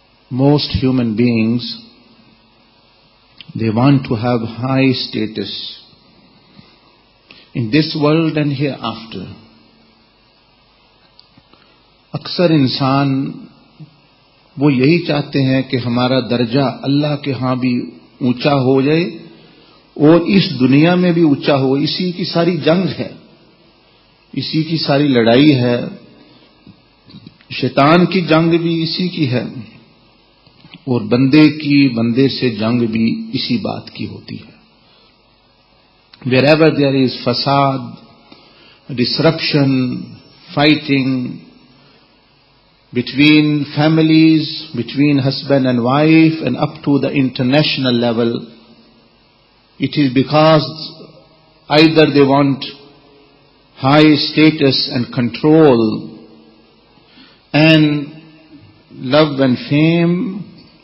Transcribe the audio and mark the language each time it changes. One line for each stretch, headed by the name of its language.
English: Most human beings, they want to have high status in this world and hereafter.
Urdu: اکثر انسان وہ یہی چاہتے ہیں کہ ہمارا درجہ اللہ کے ہاں بھی اونچا ہو جائے اور اس دنیا میں بھی اونچا ہو. اسی کی ساری جنگ ہے، اسی کی ساری لڑائی ہے، شیطان کی جنگ بھی اسی کی ہے اور بندے سے جنگ بھی اسی بات کی ہوتی ہے.
English: Wherever there is فساد، disruption، fighting between families, between husband and wife, and up to the international level, it is because either they want high status and control and love and fame